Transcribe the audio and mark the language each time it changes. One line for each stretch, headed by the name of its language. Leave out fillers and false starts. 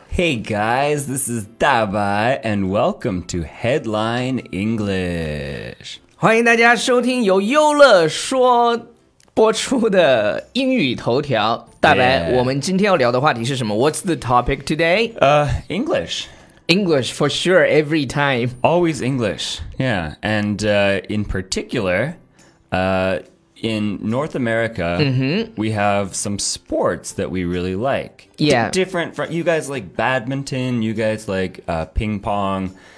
English: Hey, guys, this is Dabai, and welcome to Headline English.
Chinese: 欢迎大家收听由优乐说播出的英语头条。 Dabai, 我们今天要聊的话题是什么?
English: What's the topic today? English. English, for sure, every time. Always English, yeah. And in particular, in North America, we have some sports that we really like. Yeah. Different from, you guys like badminton, you guys like ping pong.